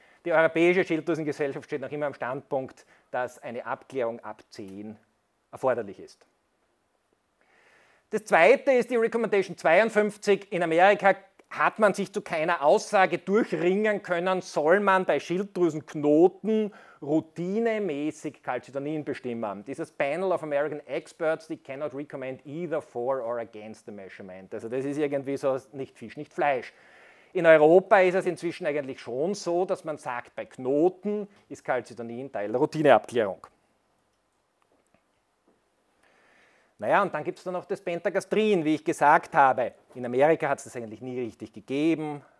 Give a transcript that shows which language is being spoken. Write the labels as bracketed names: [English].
[German] Die Europäische Schilddrüsengesellschaft steht noch immer am Standpunkt, dass eine Abklärung ab 10 erforderlich ist. Das zweite ist die Recommendation 52. In Amerika hat man sich zu keiner Aussage durchringen können, soll man bei Schilddrüsenknoten routinemäßig Calcitonin bestimmen. Dieses [English] Panel of American Experts, they cannot recommend either for or against the measurement. [German] Also das ist irgendwie so nicht Fisch, nicht Fleisch. In Europa ist es inzwischen eigentlich schon so, dass man sagt, bei Knoten ist Calcitonin Teil der Routineabklärung. Naja, und dann gibt es da noch das Pentagastrin, wie ich gesagt habe. In Amerika hat es das eigentlich nie richtig gegeben.